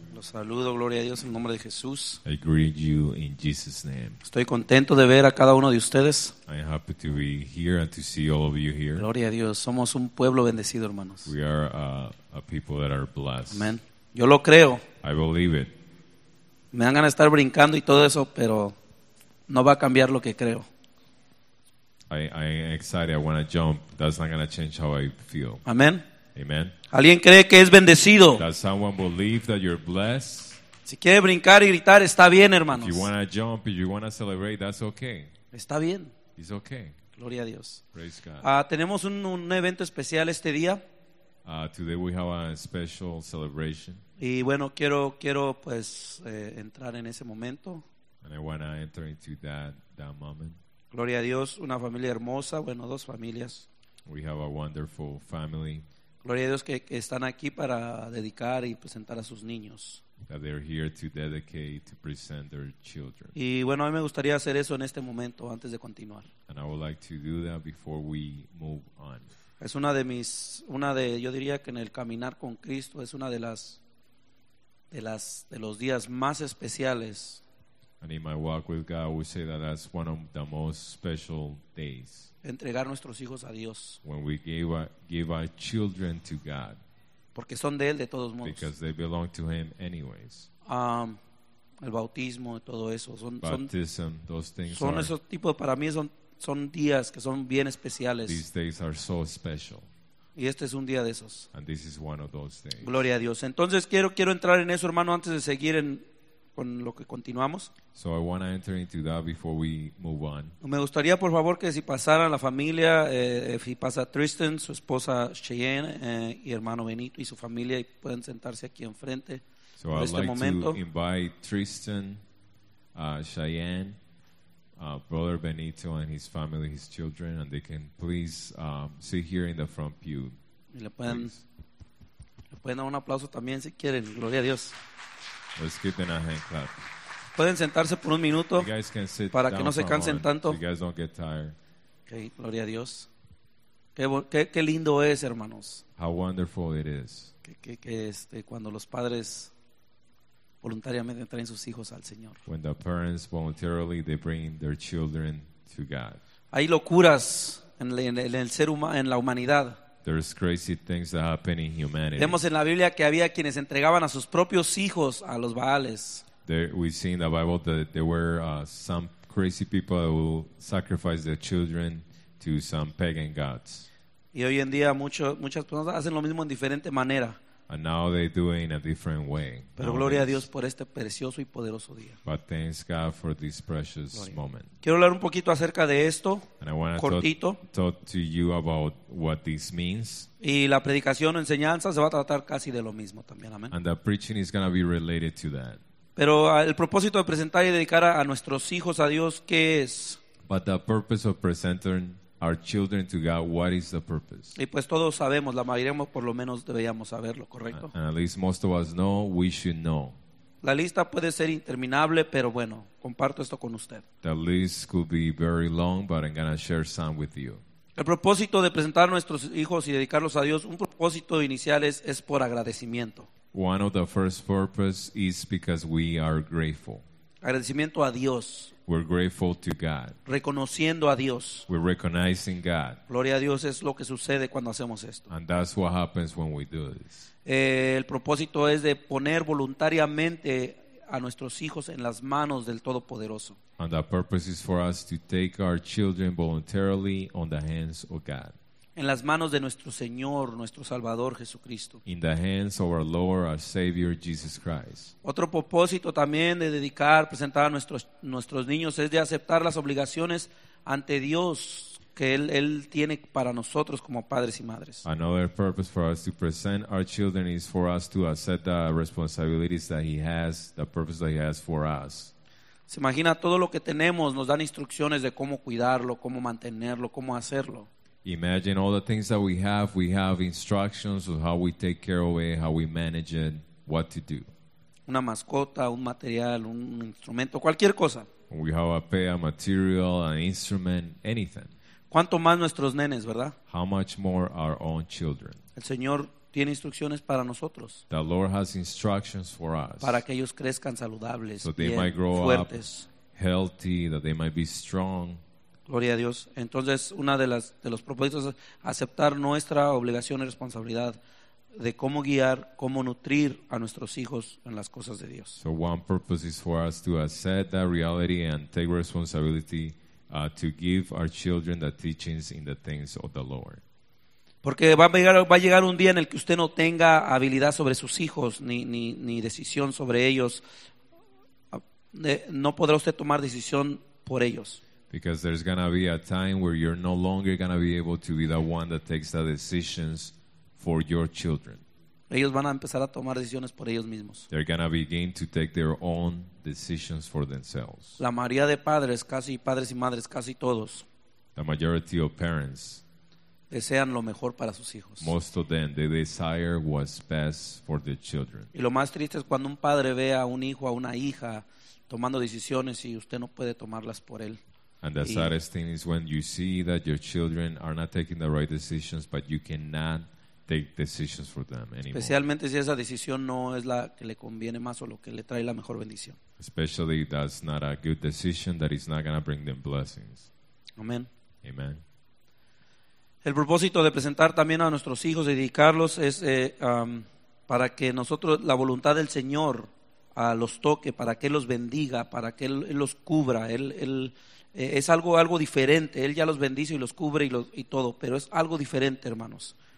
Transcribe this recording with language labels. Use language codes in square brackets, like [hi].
[es] Los saludo, gloria a Dios, en nombre de Jesús. [en] I greet you in Jesus' name. [es] Estoy contento de ver a cada uno de ustedes. [en] I am happy to be here and to see all of you here. [es] Gloria a Dios, somos un pueblo bendecido, hermanos. [en] We are a people that are blessed. [es] Amen. Yo lo creo. [en] I believe it. [es] Me dan ganas de estar brincando y todo eso, pero no va a cambiar lo que creo. [en] I'm excited. I want to jump. That's not going to change how I feel. Amen. Amen. [es] ¿Alguien cree que es bendecido? [en] Does someone believe that you're blessed? [es] Si quiere brincar y gritar, está bien, hermanos. [en] If you want to jump, if you want to celebrate, that's okay. [es] Está bien. [en] It's okay. [es] Gloria a Dios. [en] Praise God. [es] Tenemos un evento especial este día. [en] Today we have a special celebration. [es] Y bueno, quiero pues entrar en ese momento. [en] And I want to enter into that moment. [es] Gloria a Dios, una familia hermosa, bueno, dos familias. [en] We have a wonderful family. [es] Gloria a Dios que están aquí para dedicar y presentar a sus niños. [en] That they're here to dedicate, to present their children. [es] Y bueno, a mí me gustaría hacer eso en este momento antes de continuar. [en] And I would like to do that before we move on. [es] Es una de mis, una de, yo diría que en el caminar con Cristo es una de los días más especiales. [en] And in my walk with God, we say that that's one of the most special days. [es] Entregar nuestros hijos a Dios. [en] When we give our children to God. [es] Porque son de Él de todos modos. [en] Because they belong to Him anyways. [es] El bautismo y todo eso. [en] Baptism, those things [es] son esos tipos, para mí son días que son bien especiales. [en] These days are so special. [es] Y este es un día de esos. [en] And this is one of those days. [es] Gloria a Dios. Entonces quiero entrar en eso, hermano, antes de seguir en... con lo que continuamos. [en] So I want to enter into that before we move on. [es] Me gustaría, por favor, que si pasara la familia, si pasa Tristan, su esposa Cheyenne, y hermano Benito y su familia, y pueden sentarse aquí enfrente. [en] So I'd [es] este [en] like [es] momento. [en] To invite Tristan, Cheyenne, brother Benito and his family, his children, and they can please sit here in the front pew. [es] Y le pueden dar un aplauso también si quieren. Gloria a Dios. [en] Let's give them a hand clap. [es] Pueden sentarse por un minuto para que no se cansen tanto. [en] You guys don't get tired. [es] Okay, gloria a Dios. Qué lindo es, hermanos. [en] How wonderful it is. [es] Que cuando los padres voluntariamente traen sus hijos al Señor. [en] When the parents voluntarily they bring their children to God. [es] Hay locuras en el ser humano, en la humanidad. [en] There's crazy things that happen in humanity. [es] Vemos en la Biblia que había quienes entregaban a sus propios hijos a los Baales. [en] We see in the Bible that there were some crazy people that will sacrifice their children to some pagan gods. [es] Y hoy en día muchas personas hacen lo mismo en diferente manera. [en] And now they do it in a different way. [es] Pero gloria a Dios por este precioso y poderoso día. [en] But thanks God for this precious moment. [es] Quiero hablar un poquito acerca de esto, cortito. [en] Talk to you about what this means. [es] Y la predicación o enseñanza se va a tratar casi de lo mismo también. Amen. [en] And the preaching is going to be related to that. [es] Pero el propósito de presentar y dedicar a nuestros hijos a Dios, ¿qué es? [en] But the purpose of presenting our children to God, what is the purpose? [es] Y pues todos sabemos, la mayoría por lo menos deberíamos saberlo, ¿correcto? [en] And at least most of us know, we should know. [es] La lista puede ser interminable, pero bueno, comparto esto con usted. [en] The list could be very long, but I'm going to share some with you. [es] El propósito de presentar a nuestros hijos y dedicarlos a Dios, un propósito inicial es por agradecimiento. [en] One of the first purpose is because we are grateful. [es] Agradecimiento a Dios. [en] We're grateful to God. [es] Reconociendo a Dios. [en] We're recognizing God. [es] Gloria a Dios es lo que sucede cuando hacemos esto. [en] And that's what happens when we do this. [es] El propósito es de poner voluntariamente a nuestros hijos en las manos del Todopoderoso. [en] And the purpose is for us to take our children voluntarily on the hands of God. [es] En las manos de nuestro Señor, nuestro Salvador Jesucristo. [en] In the hands of our Lord, our Savior, Jesus Christ. [es] Otro propósito también de dedicar, presentar a nuestros niños es de aceptar las obligaciones ante Dios que Él tiene para nosotros como padres y madres. [en] Another purpose for us to present our children is for us to accept the responsibilities that He has, the purpose that He has for us. [es] Se imagina todo lo que tenemos, nos dan instrucciones de cómo cuidarlo, cómo mantenerlo, cómo hacerlo. [en] Imagine all the things that we have instructions of how we take care of it, how we manage it, what to do. [es] Una mascota, un material, un instrumento, cualquier cosa. [en] We have a pay, a material, an instrument, anything. [es] ¿Cuánto más nuestros nenes, verdad? [en] How much more our own children? [es] El Señor tiene instrucciones para nosotros. [en] The Lord has instructions for us. [es] Para que ellos crezcan saludables, [en] so they [es] bien, [en] might grow [es] fuertes. [en] Up healthy, that they might be strong. [es] Gloria a Dios. Entonces, una de las de los propósitos es aceptar nuestra obligación y responsabilidad de cómo guiar, cómo nutrir a nuestros hijos en las cosas de Dios. [en] So one purpose is for us to accept that reality and take responsibility to give our children the teachings in the things of the Lord. [es] Porque va a llegar un día en el que usted no tenga habilidad sobre sus hijos ni decisión sobre ellos. No podrá usted tomar decisión por ellos. [en] Because there's going to be a time where you're no longer going to be able to be the one that takes the decisions for your children. [es] Ellos van a empezar a tomar decisiones por ellos mismos. [en] They're going to begin to take their own decisions for themselves. [es] La mayoría de padres y madres, casi todos. [en] The majority of parents [es] desean lo mejor para sus hijos. [en] Most of them, they desire what's best for their children. [es] Y lo más triste es cuando un padre ve a un hijo o a una hija tomando decisiones y usted no puede tomarlas por él. [en] And the saddest thing is when you see that your children are not taking the right decisions, but you cannot take decisions for them anymore. [es] Especialmente si esa decisión no es la que le conviene más o lo que le trae la mejor bendición. [en] Especially if that's not a good decision, that is not going to bring them blessings. [es] Amen. [en] Amen. [es] El propósito de presentar también a nuestros hijos, de dedicarlos, es para que nosotros, la voluntad del Señor los toque, para que los bendiga, para que Él los cubra. Él es algo diferente. Él ya los bendice y los cubre y todo, pero es algo diferente, hermanos.